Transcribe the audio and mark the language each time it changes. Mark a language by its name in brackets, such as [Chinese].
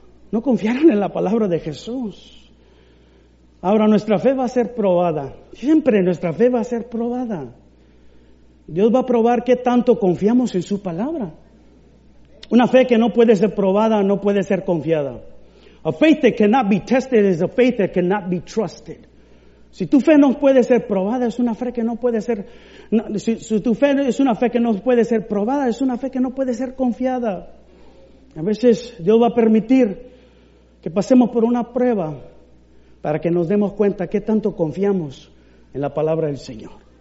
[Spanish] No confiaron en la palabra de Jesús. Ahora nuestra fe va a ser probada. Siempre nuestra fe va a ser probada. Dios va a probar qué tanto confiamos en su palabra. Una fe que no puede ser probada no puede ser confiada. [English] A faith that cannot be tested is a faith that cannot be trusted. [Spanish] Si tu fe no puede ser probada, es una fe que no puede ser... Si tu fe es una fe que no puede ser probada, es una fe que no puede ser confiada. A veces Dios va a permitir que pasemos por una prueba para que nos demos cuenta qué tanto confiamos en la palabra del Señor.